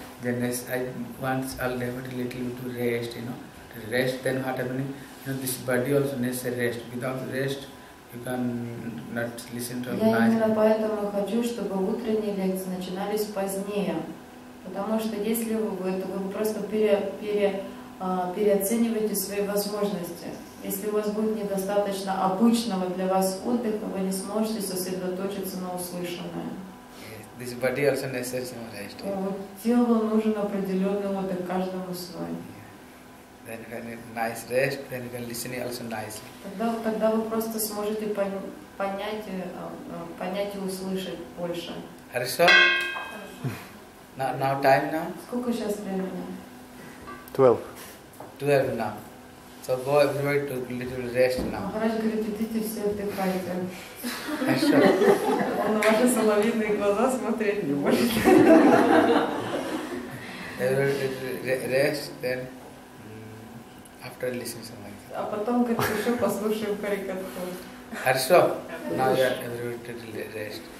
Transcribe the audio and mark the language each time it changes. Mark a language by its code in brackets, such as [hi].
[en] Then yes, I want all devotees little to rest, you know. To rest. Then what happening? You know, this body also needs a rest. Without rest, you can not listen to. [ru] Я именно поэтому хочу, чтобы утренние лекции начинались позднее. Потому что если вы просто переоцениваете свои возможности, если у вас будет недостаточно обычного для вас отдыха, вы не сможете сосредоточиться на услышанное. [en] This body also needs some rest. [ru] Телу нужен определенный отдых каждому свой. [en] Then when nice rest, then you can listen also nicely. [ru] Тогда вы просто сможете понять и услышать больше. Хорошо? [en] Now time now? [ru] Сколько сейчас времени? [en] 12 now. So go everywhere to a little rest now. [ru] Махарадж говорит, идите все отдыхайте. Хорошо. Он на ваши соловьиные глаза смотреть не может. [en] Rest, then after listening something. [ru] А потом, говорит, еще послушаем харикатху. Хорошо. [en] Now you are everywhere to rest.